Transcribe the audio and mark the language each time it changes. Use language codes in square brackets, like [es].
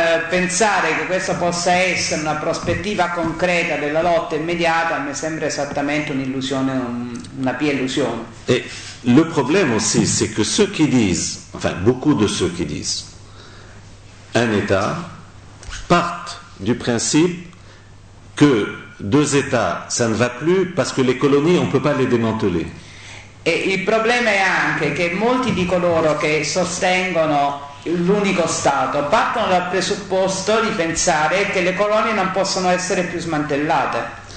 [it] Pensare che questa possa essere una prospettiva concreta della lotta immediata mi sembra esattamente un'illusione, una pia illusione. E il problema [fr] aussi, c'est que ceux qui disent, enfin beaucoup de ceux qui disent, un État partent du principe que deux États ça ne va plus parce que les colonies on ne peut pas les démanteler. [it] E il problema è anche che molti di coloro che sostengono l'unico Stato partono dal presupposto di pensare che le colonie non possono essere più smantellate.